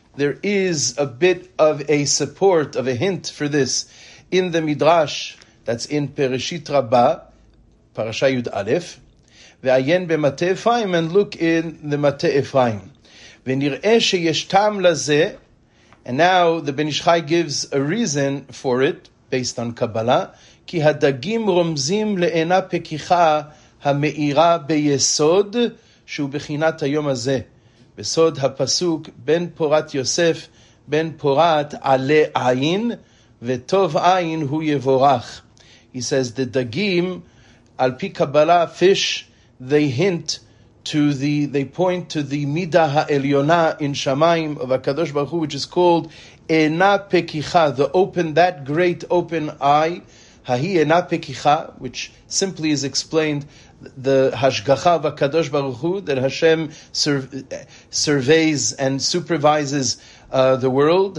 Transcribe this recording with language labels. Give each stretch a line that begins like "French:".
English: There is a bit of a support, of a hint for this in the midrash that's in Pereshit Rabba, Parasha Yud Aleph.
Hebrew: V'ayen b'mate Ephraim,
English: and look in the Mate Ephraim.
Hebrew: V'nir'eh sheyesh tam lazeh.
English: And now the Ben Ish Chai gives a reason for it based on Kabbalah.
Hebrew: כי הדגים רומזים לעינה פקיחה המאירה ביסוד שהוא בחינת היום הזה. בסוד הפסוק, בן פורת יוסף, בן פורת עלי עין, וטוב עין הוא יבורך.
English: He says, the dagim,
Hebrew: על פי קבלה,
English: fish, they hint to the midah ha'eliyona in Shamayim of HaKadosh Baruch Hu, which is called Ena Pekicha, the open, that great open eye, Hahi Ena Pekicha, which simply is explained the Hashgacha of HaKadosh Baruch Hu, that Hashem surveys and supervises the world.